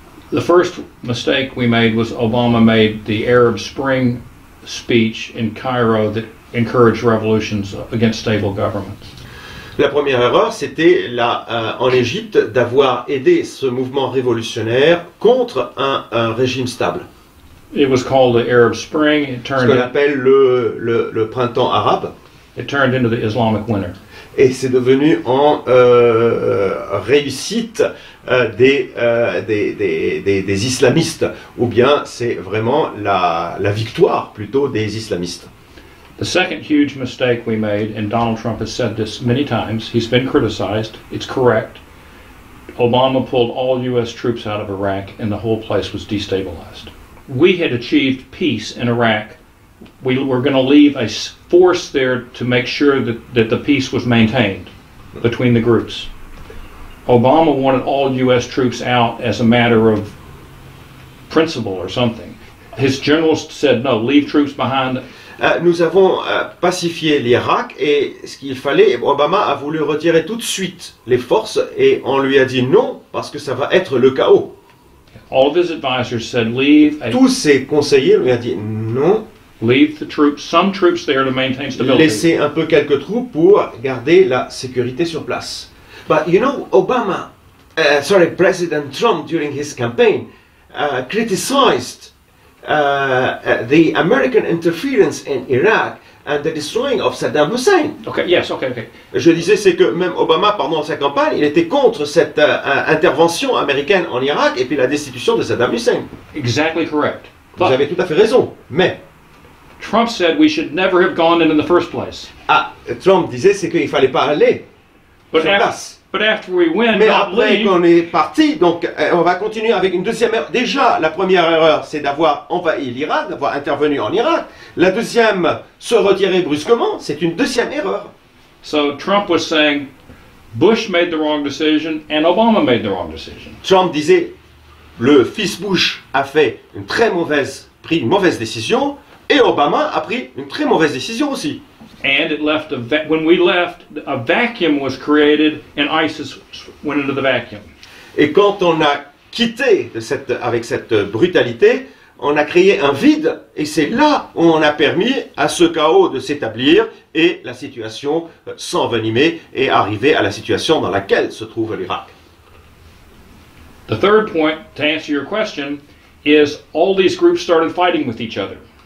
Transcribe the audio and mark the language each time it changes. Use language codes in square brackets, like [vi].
[en] The first mistake we made was Obama made the Arab Spring speech in Cairo that encouraged revolutions against stable governments. [fr] La première erreur, c'était en Égypte d'avoir aidé ce mouvement révolutionnaire contre un régime stable. [en] It was called the Arab Spring. It turned [fr] ce qu'on appelle le printemps arabe. [en] It turned into the Islamic winter. [fr] Et c'est devenu en réussite des islamistes, ou bien c'est vraiment la victoire plutôt des islamistes. [en] The second huge mistake we made, and Donald Trump has said this many times, he's been criticized, it's correct, Obama pulled all U.S. troops out of Iraq and the whole place was destabilized. We had achieved peace in Iraq. We were going to leave a force there to make sure that the peace was maintained between the groups. Obama wanted all U.S. troops out as a matter of principle or something. His generals said, no, leave troops behind. [fr] Nous avons pacifié l'Irak et ce qu'il fallait, Obama a voulu retirer tout de suite les forces et on lui a dit non parce que ça va être le chaos. [en] All of his advisors said leave. [fr] Tous ses conseillers lui ont dit non. [en] Leave the troops, some troops there to maintain stability. [fr] Laissez un peu quelques troupes pour garder la sécurité sur place. [en] But you know, Obama, President Trump, during his campaign, criticized the American interference in Iraq and the destroying of Saddam Hussein. [fr] Je disais, c'est que même Obama, pendant sa campagne, il était contre cette intervention américaine en Irak et puis la destitution de Saddam Hussein. [en] Exactly correct. [fr] But vous avez tout à fait raison, mais [en] Trump said we should never have gone in the first place. [fr] Ah, Trump disait c'est qu'il fallait pas aller. [en] But [fr] sur place. [en] But after we win, [fr] mais [en] not [fr] après [en] leave, [fr] qu'on est parti, donc on va continuer avec une deuxième erreur. Déjà, la première erreur, c'est d'avoir envahi l'Irak, d'avoir intervenu en Irak. La deuxième, se retirer brusquement, c'est une deuxième erreur. [en] So Trump was saying Bush made the wrong decision and Obama made the wrong decision. [fr] Trump disait le fils Bush a fait une très mauvaise, pris une mauvaise décision. Et Obama a pris une très mauvaise décision aussi. [en] And it left a when we left, a vacuum was created, and ISIS went into the vacuum. [fr] Et quand on a quitté de cette, avec cette brutalité, on a créé un vide, et c'est là où on a permis à ce chaos de s'établir et la situation s'envenimer et arriver à la situation dans laquelle se trouve l'Irak. [en] The third point to answer your question is all these groups started fighting with each other.